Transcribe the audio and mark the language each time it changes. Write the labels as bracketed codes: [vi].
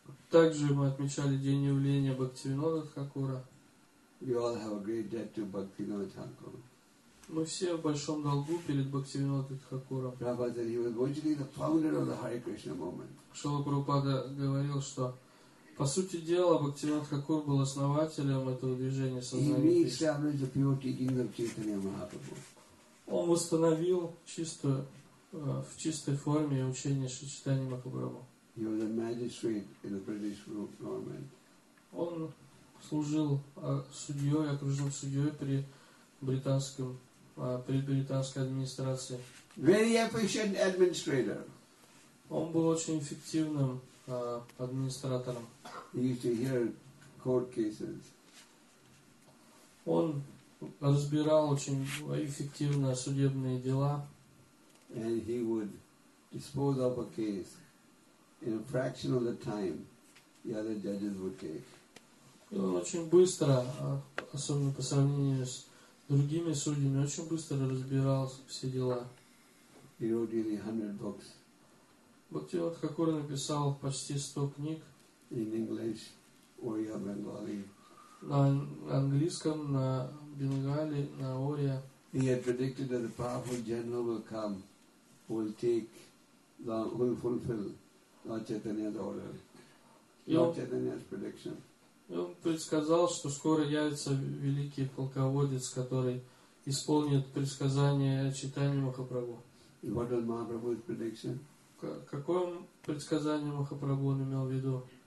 [ru] Также мы отмечали день явления Бхактивинода Тхакура. [en] We all have a great debt to Bhaktivinoda Thakura. [ru] Мы все в большом долгу перед Бхактивинодой Тхакуром. [en] Prabhupada said he was virtually the founder of the Hare Krishna movement. [ru] Шрила Прабхупада говорил, что по сути дела Бхактивинода Тхакур был основателем этого движения сознания. Он восстановил в чистой форме учение Шри Чайтанья Махапрабху. [en] He was a magistrate in the British government. [ru] Он служил судьей, окружным судьей при британском, при британской администрации. [en] Very efficient administrator. [ru] Он был очень эффективным администратором. [en] He used to hear court cases. [ru] Он разбирал очень эффективно судебные дела. [en] And he would dispose of a case in a fraction of the time the other judges would take. [ru] И он очень быстро, особенно по сравнению с другими судьями, очень быстро разбирал все дела. [en] He wrote nearly 100 books. [ru] Бхактивинода Тхакура написал почти 100 книг. [en] In English, Oriya, Bengali. [ru] На английском, на Бенгали, на Ория. [en] He had predicted that the powerful general will come who will take, who will fulfill Lord Chaitanya's order. Lord Chaitanya's prediction. [ru] И он предсказал, что скоро явится великий полководец, который исполнит предсказание Чайтаньи Махапрабху. Какое предсказание Махапрабху он имел в виду?